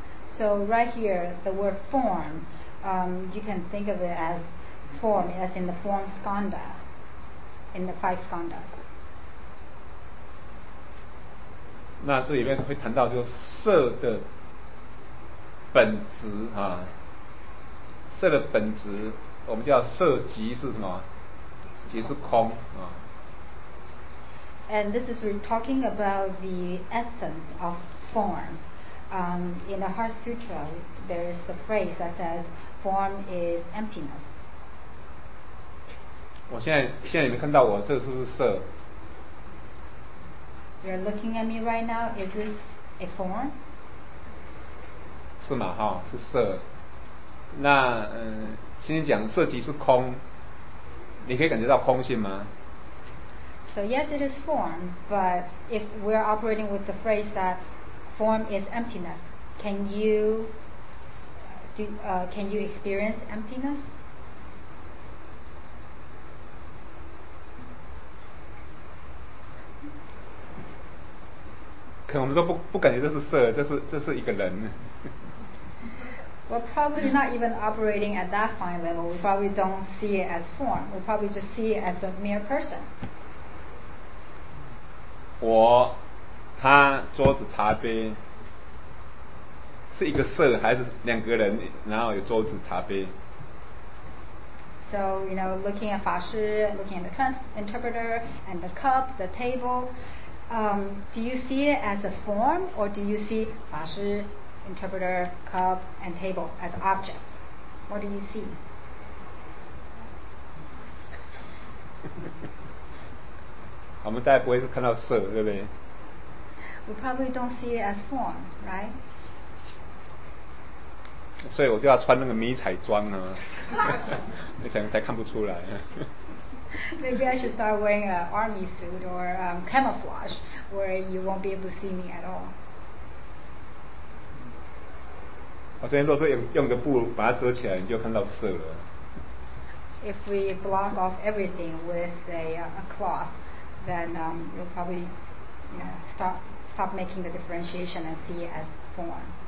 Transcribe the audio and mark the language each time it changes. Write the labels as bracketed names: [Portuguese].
[English] So right here, the word form, you can think of it as form, as in the form skanda, in the five skandas. [Chinese] 那这里面会谈到就色的本质啊，色的本质我们叫色即是什么？也是空啊。 [English] And this is we're talking about the essence of form. In the Heart Sutra, there is the phrase that says form is emptiness. [Chinese] 我现在你们看到我这是不是色？ [English] You're looking at me right now. Is this a form? [Chinese] 是嘛哈，是色。那先讲色即是空，你可以感觉到空性吗？ [English] So yes, it is form. But if we're operating with the phrase that form is emptiness, can you experience emptiness? [Chinese] 可能我们都不感觉这是色，这是一个人。 [English] We're probably not even operating at that fine level. We probably don't see it as form. We probably just see it as a mere person. [Chinese] 我、他、桌子、茶杯，是一个色还是两个人？然后有桌子、茶杯。 [English] So you know, looking at 法师, looking at the interpreter and the cup, the table, do you see it as a form or do you see 法师? Interpreter, cup, and table as objects. What do you see? [Chinese] 我们大概不会是看到色，对不对？ [English] We probably don't see it as form, right? [Chinese] 所以我就要穿那个迷彩装啊，你才看不出来。 [English] Maybe I should start wearing an army suit or camouflage, where you won't be able to see me at all. [Chinese] 我这边如果说用个布把它遮起来，你就看到色了。 [English] If we block off everything with a cloth, then you'll probably stop making the differentiation and see it as form.